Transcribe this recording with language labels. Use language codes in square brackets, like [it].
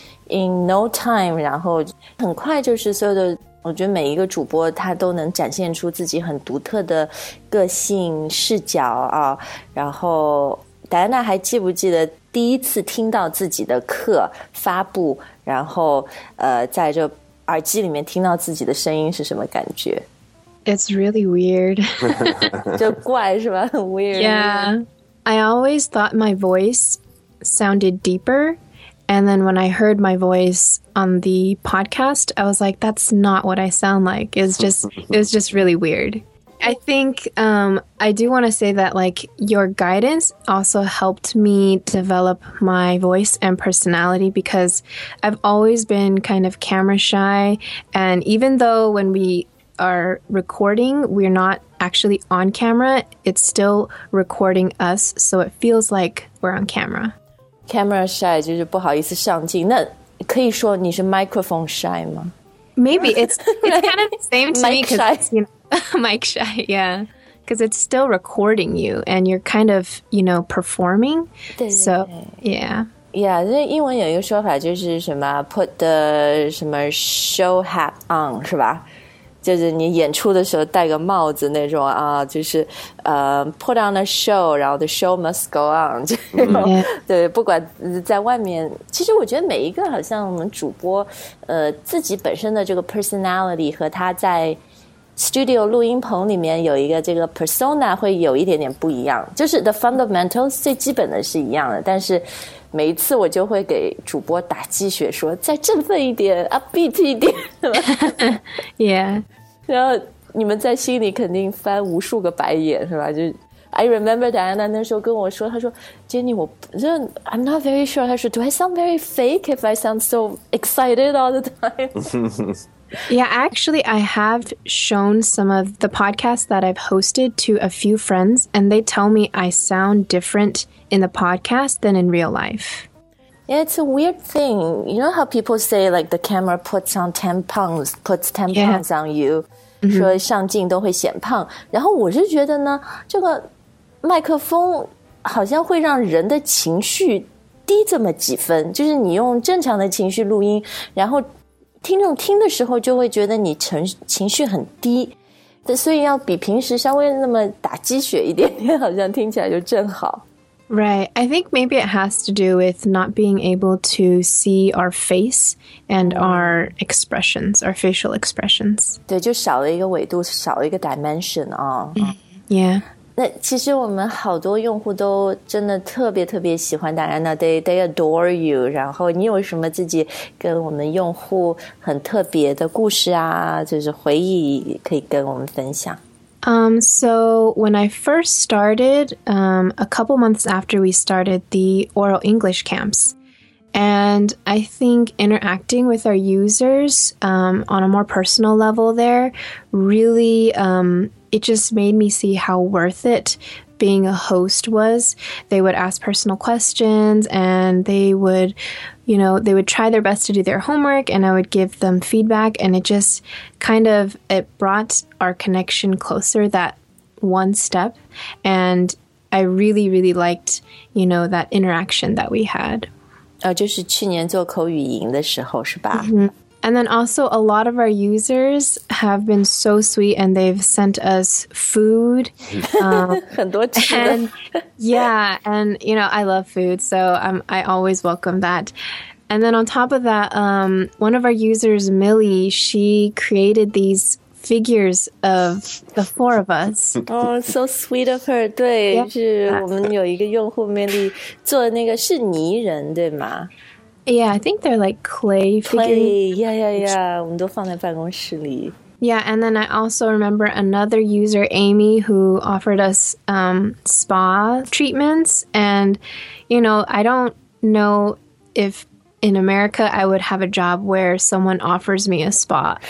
[en] in no time, [zh] 然后很快就是所有的，我觉得每一个主播他都能展现出自己很独特的个性视角啊，然后戴安娜还记不记得第一次听到自己的课发布，然后在这耳机里面听到自己的声音是什么感觉？ [en] It's really weird. [zh] 就怪是吧？很 weird. [en] Yeah. I always thought my voice sounded deeper, and then when I heard my voice on the podcast, I was like, that's not what I sound like. It was just really weird. I think, I do want to say that, like, your guidance also helped me develop my voice and personality, because I've always been kind of camera shy, and even though when we are recording, we're not actually on camera, it's still recording us, so it feels like we're on camera. Camera shy [zh] 就是不好意思上镜，那可以说你是 [en] microphone shy [zh] 吗？ [en] Maybe it's kind of the same to me, because it's, you know, mic shy, yeah, because it's still recording you and you're kind of, you know, performing. So, yeah. [zh] Yeah, 这英文有一个说法就是什么 [en] put the [zh] 什么 [en] show hat on, [zh] 是吧？就是你演出的时候戴个帽子那种啊，就是 [en] put on a show, [zh] 然后 [en] the show must go on, [zh] 这种、 [en] yeah. [zh] 对，不管在外面，其实我觉得每一个好像我们主播自己本身的这个 personality 和他在 studio 录音棚里面有一个这个 persona 会有一点点不一样，就是 [en] the fundamentals [zh] 最基本的是一样的，但是每一次我就会给主播打鸡血说再振奋一点 upbeat 一点 [en] yeah [zh] 然后你们在心里肯定翻无数个白眼是吧， [en] 就 I remember Diana [zh] 那时候跟我说，她说 [en] Jenny 我 I'm not very sure, 她说 Do I sound very fake if I sound so excited all the time? Yeah, actually, I have shown some of the podcasts that I've hosted to a few friends, and they tell me I sound different in the podcast than in real life. Yeah, it's a weird thing. You know how people say, like, the camera puts 10 pounds on you? [zh] Mm-hmm. 说上镜都会显胖。然后我是觉得呢，这个麦克风好像会让人的情绪低这么几分，就是你用正常的情绪录音，然后听众听的时候就会觉得你情绪很低，所以要比平时稍微那么打鸡血一点点，好像听起来就正好。 [en] Right, I think maybe it has to do with not being able to see our face and our expressions, our facial expressions. [zh] 对，就少了一个维度，少了一个 dimension 啊。 [en] Yeah. [zh] 那其实我们好多用户都真的特别特别喜欢 Diana, [en] they adore you. [zh] 然后你有什么自己跟我们用户很特别的故事啊，就是回忆可以跟我们分享。 [en] So when I first started, a couple months after we started the oral English camps, and I think interacting with our users, on a more personal level there really, it just made me see how worth it being a host was. They would ask personal questions and they would, you know, they would try their best to do their homework and I would give them feedback, and it just kind of, it brought our connection closer that one step. And I really, really liked, you know, that interaction that we had. [zh] 就是去年做口语营的时候是吧、 mm-hmm. [en] And then also a lot of our users have been so sweet and they've sent us food. [zh] 很多吃的。 [en] And, yeah, and, you know, I love food, so I always welcome that. And then on top of that, one of our users, Millie, she created these figures of the four of us. Oh, so sweet of her. [zh] 对, [en] yeah. [zh] 是我们有一个用户 Millie做的那个是泥人,对吗? [en] Yeah, I think they're like clay figures. Clay, yeah, yeah, yeah. [zh] 我们都放在办公室里。 [en] Yeah, and then I also remember another user, Amy, who offered us spa treatments. And, you know, I don't know if in America I would have a job where someone offers me a spa.